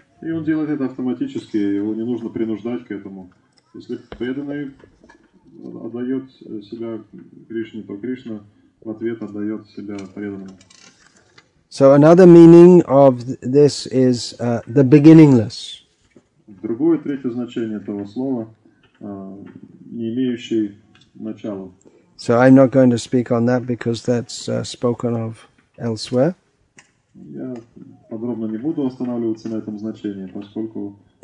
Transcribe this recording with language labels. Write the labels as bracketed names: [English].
[Russian] И он делает это автоматически, его не нужно принуждать к этому. Если преданный отдает себя Кришне, то Кришна в ответ отдает себя преданному. [English] So another meaning of this is the beginningless. [Russian] Другое, третье значение этого слова не имеющий начала. [English] So I'm not going to speak on that because that's spoken of elsewhere. [Russian] Я подробно не буду останавливаться на этом значении, поскольку